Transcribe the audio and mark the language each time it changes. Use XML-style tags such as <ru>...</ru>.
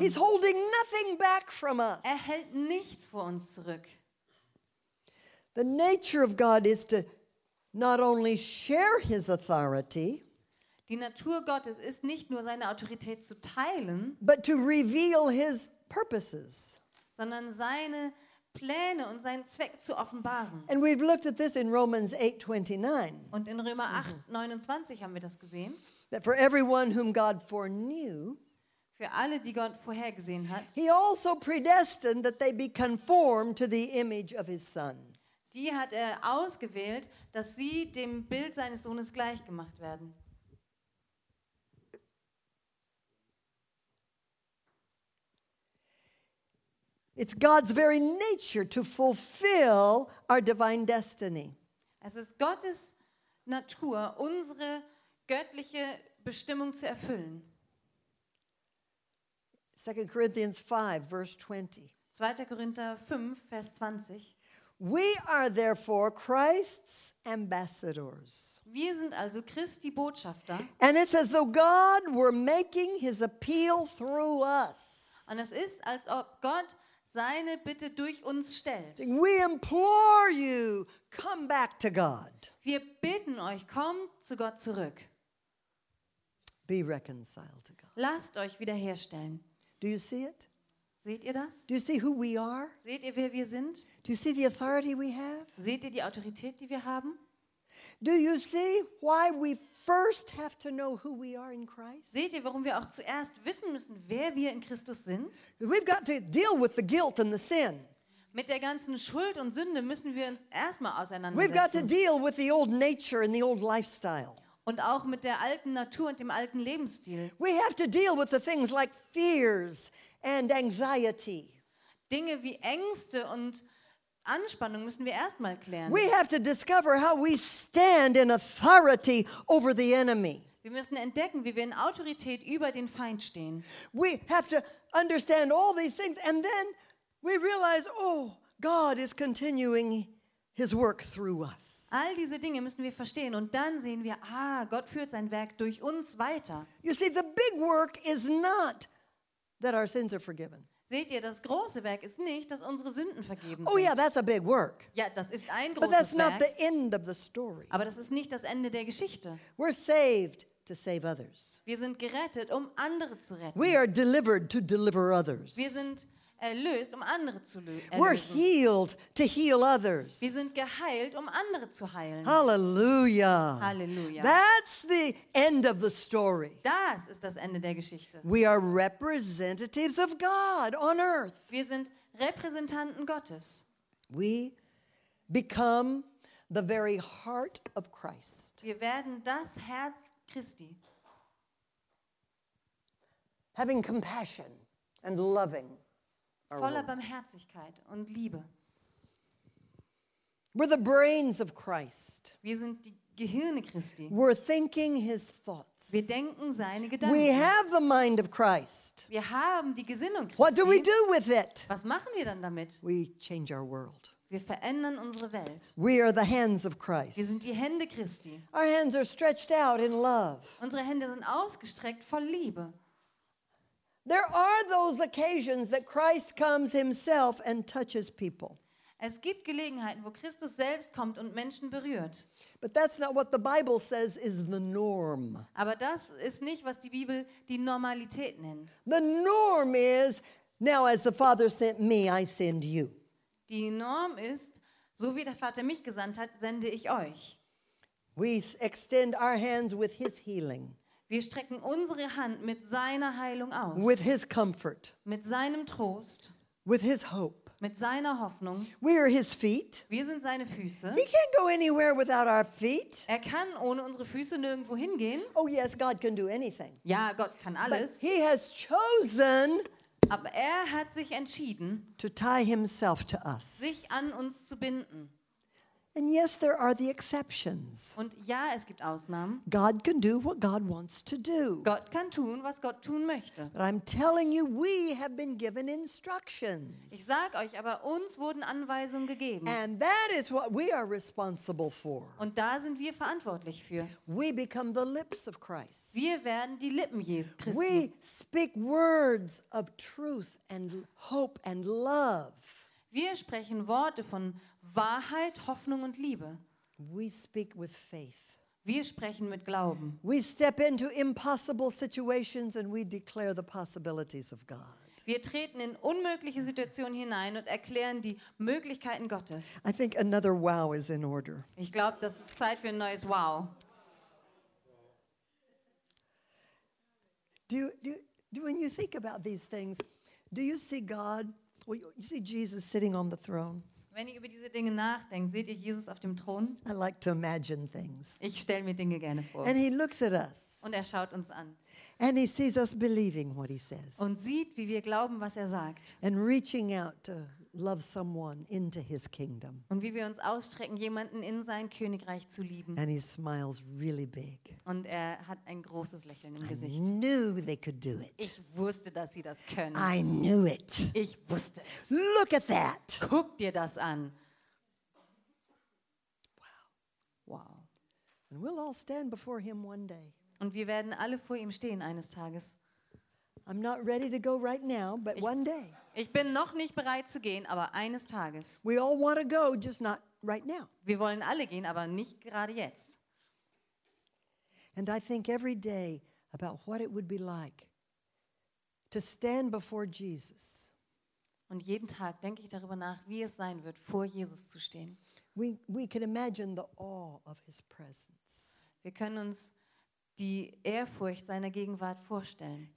<en>He's holding nothing back from us.</en> <de>Er hält nichts vor uns zurück.</de> <en>The nature of God is to not only share his authority.</en> <de>Die Natur Gottes ist nicht nur seine Autorität zu teilen,</de> <en>but to reveal his purposes,</en> <de>sondern seine Pläne und seinen Zweck zu offenbaren.</de> <en>And we've looked at this in Romans 8:29.</en> <de>Und in Römer 8:29 haben wir das gesehen.</de> <en>That for everyone whom God foreknew,</en> <de>für alle, die Gott vorhergesehen hat,</de> <en>he also predestined that they be conformed to the image of his son.</en> <de>Die hat er ausgewählt, dass sie dem Bild seines Sohnes gleich gemacht werden.</de> <en>It's God's very nature to fulfill our divine destiny.</en> <de>Es ist Gottes Natur, unsere göttliche Bestimmung zu erfüllen.</de> <en>2 Corinthians 5, verse 20.</en> <de>2. Korinther 5, Vers 20.</de> <en>We are therefore Christ's ambassadors.</en> <de>Wir sind also Christi Botschafter.</de> <en>And it's as though God were making his appeal through us.</en> <de>Und es ist, als ob Gott seine Bitte durch uns stellt.</de> <en>We implore you, come back to God.</en> <de>Wir bitten euch, kommt zu Gott zurück.</de> <en>Be reconciled to God.</en> <de>Lasst euch wiederherstellen.</de> <en>Do you see it?</en> <de>Seht ihr das?</de> <en>Do you see who we are?</en> <de>Seht ihr, wer wir sind?</de> <en>Do you see the authority we have?</en> <de>Seht ihr die Autorität, die wir haben?</de> <en>Do you see why we first have to know who we are in Christ?</en> <de>Seht ihr, warum wir auch zuerst wissen müssen, wer wir in Christus sind?</de> <en>We've got to deal with the guilt and the sin.</en> <de>Mit der ganzen Schuld und Sünde müssen wir uns erstmal auseinandersetzen.</de> <en>We've got to deal with the old nature and the old lifestyle.</en> <de>Und auch mit der alten Natur und dem alten Lebensstil.</de> <en>We have to deal with the things like fears and anxiety.</en> <de>Dinge wie Ängste und Anspannung müssen wir erstmal klären.</de> <en>We have to discover how we stand in authority over the enemy.</en> <de>Wir müssen entdecken, wie wir in Autorität über den Feind stehen.</de> <en>We have to understand all these things and then we realize, oh, God is continuing his work through us.</en> <de>All diese Dinge müssen wir verstehen und dann sehen wir, ah, Gott führt sein Werk durch uns weiter.</de> <en>You see, the big work is not that our sins are forgiven.</en> <de>Seht ihr, das große Werk ist nicht, dass unsere Sünden vergeben sind.</de> <en>Oh yeah, that's a big work.</en> <de>Ja, das ist ein großes Werk.</de> <en>But that's</en> <de>Werk.</de> <en>Not the end of the story.</en> <de>Aber das ist nicht das Ende der Geschichte.</de> <en>We're saved to save others.</en> <de>Wir sind gerettet, um andere zu retten.</de> <en>We are delivered to deliver others.</en> <de>Wir sind erlöst, um andere zu erlösen.</de> <en>We're healed to heal others.</en> <de>Wir sind geheilt, um andere zu heilen.</de> <en>Hallelujah.</en> <de>Hallelujah.</de> <en>That's the end of the story.</en> <de>Das ist das Ende der Geschichte.</de> <en>We are representatives of God on earth.</en> <de>Wir sind Repräsentanten Gottes.</de> <en>We become the very heart of Christ.</en> <de>Wir werden das Herz Christi.</de> <en>Having compassion and loving.</en> <de>Voller Barmherzigkeit und Liebe.</de> <en>We're the brains of Christ.</en> <de>Wir sind die Gehirne Christi.</de> <en>We're thinking his thoughts.</en> <de>Wir denken seine Gedanken.</de> <en>We have the mind of Christ.</en> <de>Wir haben die Gesinnung Christi.</de> <en>What do we do with it?</en> <de>Was machen wir dann damit?</de> <en>We change our world.</en> <de>Wir verändern unsere Welt.</de> <en>We are the hands of Christ.</en> <de>Wir sind die Hände Christi.</de> <en>Our hands are stretched out in love.</en> <de>Unsere Hände sind ausgestreckt voll Liebe.</de> <en>There are those occasions that Christ comes himself and touches people.</en> <de>Es gibt Gelegenheiten, wo Christus selbst kommt und Menschen berührt.</de> <en>But that's not what the Bible says is the norm.</en> <de>Aber das ist nicht, was die Bibel die Normalität nennt.</de> <en>The norm is, now as the Father sent me, I send you.</en> <de>Die Norm ist, so wie der Vater mich gesandt hat, sende ich euch.</de> <en>We extend our hands with his healing.</en> <de>Wir strecken unsere Hand mit seiner Heilung aus.</de> <en>With his comfort.</en> <de>Mit seinem Trost.</de> <en>With his hope.</en> <de>Mit seiner Hoffnung.</de> <en>We are his feet.</en> <de>Wir sind seine Füße.</de> <en>He can't go anywhere without our feet.</en> <de>Er kann ohne unsere Füße nirgendwo hingehen.</de> <en>Oh yes, God can do anything.</en> <de>Ja, Gott kann alles.</de> <en>But he has chosen.</en> <de>Aber er hat sich entschieden,</de> <en>to tie himself to us.</en> <de>Sich an uns zu binden.</de> <en>And yes, there are the exceptions.</en> <de>Und ja, es gibt Ausnahmen.</de> <en>God can do what God wants to do.</en> <de>Gott kann tun, was Gott tun möchte.</de> <en>But I'm telling you, we have been given instructions.</en> <de>Ich sag euch, aber uns wurden Anweisungen gegeben.</de> <en>And that is what we are responsible for.</en> <de>Und da sind wir verantwortlich für.</de> <en>We become the lips of Christ.</en> <de>Wir werden die Lippen Jesu Christi.</de> <en>We speak words of truth and hope and love.</en> <de>Wir sprechen Worte von Wahrheit, Hoffnung und Liebe.</de> <en>We speak with faith.</en> <de>Wir sprechen mit Glauben.</de> <en>We step into impossible situations and we declare the possibilities of God.</en> <de>Wir treten in unmögliche Situationen hinein und erklären die Möglichkeiten Gottes.</de> <en>I think another wow is in order.</en> <de>Ich glaube, das ist Zeit für ein neues Wow.</de> <en>When you think about these things, do you see God? Well, you see Jesus sitting on the throne.</en> <de>Wenn ihr über diese Dinge nachdenkt, seht ihr Jesus auf dem Thron?</de> <en>I like to imagine things.</en> <de>Ich stelle mir Dinge gerne vor.</de> <en>And he looks at us.</en> <de>Und er schaut uns an.</de> <en>And he sees us believing what he says.</en> <de>Und sieht, wie wir glauben, was er sagt.</de> <en>And reaching out to love someone into his kingdom.</en> <de>Und wie wir uns ausstrecken, jemanden in sein Königreich zu lieben.</de> <en>And he smiles really big.</en> <de>Und er hat ein großes Lächeln im</de> <en>I</en> <de>Gesicht.</de> <en>Knew they could do it.</en> <de>Ich wusste, dass sie das können.</de> <en>I knew it.</en> <de>Ich wusste es.</de> <en>Look at that.</en> <de>Guck dir das an.</de> <en>Wow.</en> <de>Wow.</de> <en>And we'll all stand before him one day.</en> <de>Und wir werden alle vor ihm stehen eines Tages.</de> <en>I'm not ready to go right now, but one day.</en> <de>Ich bin noch nicht bereit zu gehen, aber eines Tages.</de> <en>We all want to go, just not right now.</en> <de>Wir wollen alle gehen, aber nicht gerade jetzt.</de> <en>And I think every day about what it would be like to stand before Jesus.</en> <de>Und jeden Tag denke ich darüber nach, wie es sein wird, vor Jesus zu stehen.</de> <en>We can imagine the awe of his presence.</en> <de>Wir können uns die Ehrfurcht seiner Gegenwart vorstellen.</de>